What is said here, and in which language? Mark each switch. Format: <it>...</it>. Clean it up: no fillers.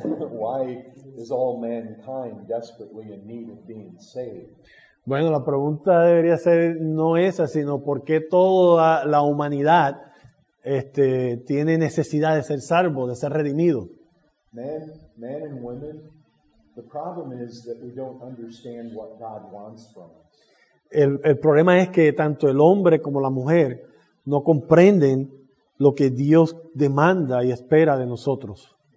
<en>Why is all mankind desperately in need of being saved?</en> <es>Bueno, la pregunta debería ser no esa, sino ¿por qué toda la humanidad tiene necesidad de ser salvo, de ser redimido?</es> <en>Men and women, the problem is that we don't understand what God wants from us.</en> <es>El problema es que tanto el hombre como la mujer no comprenden lo que Dios demanda y espera de nosotros.</es>